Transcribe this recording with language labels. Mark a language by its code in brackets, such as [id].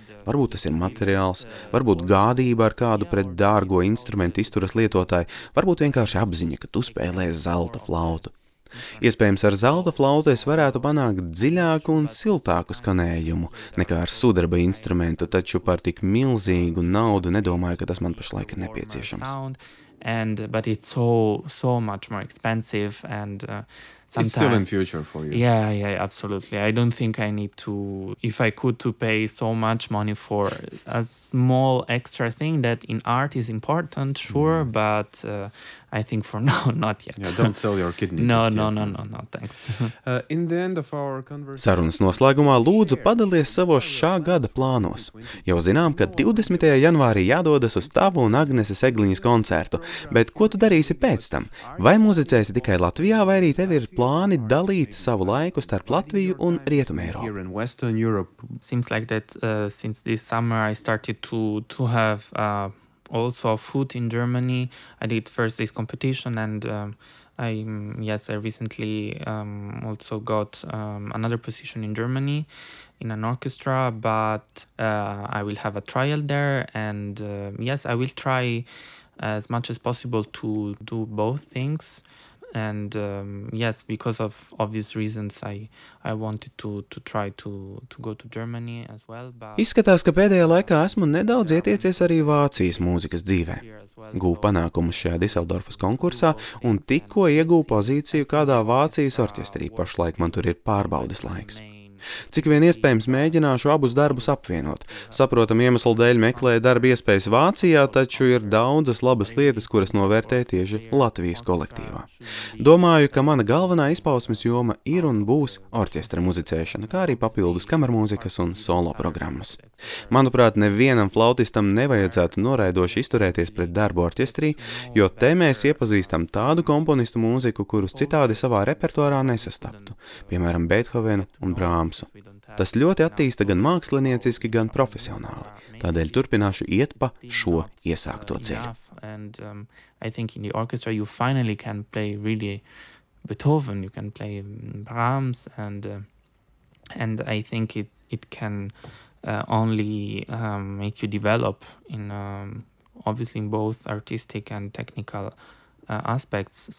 [lv] Varbūt tas ir materiāls, varbūt gādība ar kādu pret dārgo instrumentu izturas lietotāju, varbūt vienkārši apziņa, ka tu spēlēsi zelta flautu. Iespējams, ar zelta flautu es varētu panākt dziļāku un siltāku skanējumu nekā ar sudraba instrumentu, taču par tik milzīgu naudu nedomāju, ka tas man pašlaik ir nepieciešams. [en] And but it's so much more expensive and sometime. It's still in future for you. Yeah, yeah, absolutely. I don't think I need to, if I could, to pay so much money for a small extra thing that in art is important, sure, but I think for now, not yet. Yeah, don't sell your kidney. No, thanks. In the end of our conversation... [lv] Sarunas noslēgumā lūdzu padalies savos šā gada plānos. Jau zinām, ka 20. janvārī jādodas uz tavu un Agneses Egliņas koncertu, bet ko tu darīsi pēc tam? Vai muzicēsi tikai Latvijā, vai arī tev ir plāni dalīt savu laiku starp Latviju un Rietumēru? [en] Seems like that since this summer I started to have also a foot in Germany. I did first this competition and I recently also got another position in Germany in an orchestra, but I will have a trial there and I will try as much as possible to do both things. And because of obvious reasons I wanted to try to go to Germany as well, but [lv] izskatās, ka pēdējā laikā esmu nedaudz ietiecies arī Vācijas mūzikas dzīvē. Gūvu panākumus šajā Düsseldorfas konkursā un tikko iegūvu pozīciju kādā Vācijas orķestrī. Pašlaik man tur ir pārbaudes laiks. Cik vien iespējams mēģināšu abus darbus apvienot. Saprotam, iemeslu dēļ meklē darba iespējas Vācijā, taču ir daudzas labas lietas, kuras novērtē tieši Latvijas kolektīvā. Domāju, ka mana galvenā izpausmes joma ir un būs orķestra muzicēšana, kā arī papildus kamermūzikas un solo programmas. Manuprāt, nevienam flautistam nevajadzētu noraidoši izturēties pret darbu orķestrī, jo te mēs iepazīstam tādu komponistu mūziku, kurus citādi savā repertuārā nesastaptu, piemēram Beethovenu un Brahmsu. Tas ļoti attīsta gan mākslinieciski, gan profesionāli. Tādēļ turpināšu iet pa šo iesākto ceļu. [en] And I think in the orchestra you finally can play really Beethoven, you can play Brahms and I think it can only make you develop in obviously in both artistic and technical aspects.